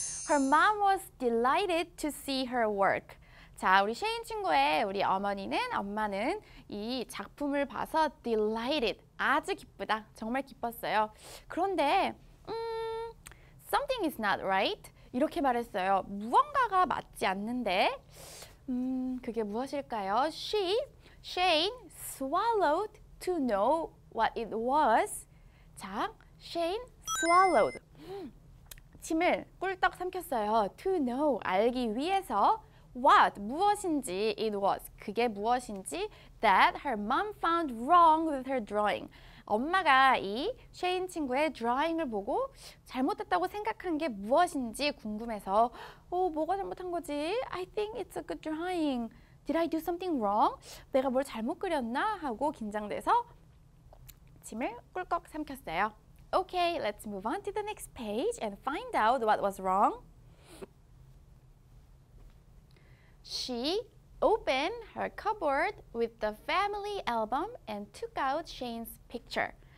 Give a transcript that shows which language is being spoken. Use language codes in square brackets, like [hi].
[en] Her mom was delighted to see her work. [ko] 자, 우리 쉐인 친구의 우리 어머니는, 엄마는 이 작품을 봐서 delighted, 아주 기쁘다, 정말 기뻤어요. 그런데, [en] something is not right, [ko] 이렇게 말했어요. 무언가가 맞지 않는데, 그게 무엇일까요? [en] She, Shane, swallowed to know what it was. [ko] 자, [en] Shane swallowed. [ko] 침을 꿀떡 삼켰어요. [en] To know, [ko] 알기 위해서. [en] What, [ko] 무엇인지, [en] it was, [ko] 그게 무엇인지, [en] that her mom found wrong with her drawing. [ko] 엄마가 이 쉐인 친구의 drawing을 보고 잘못됐다고 생각한 게 무엇인지 궁금해서, 뭐가 잘못한 거지? [en] I think it's a good drawing. Did I do something wrong? [ko] 내가 뭘 잘못 그렸나? 하고 긴장돼서 침을 꿀꺽 삼켰어요. [en] Okay, let's move on to the next page and find out what was wrong. She opened her cupboard with the family album and took out Shane's picture.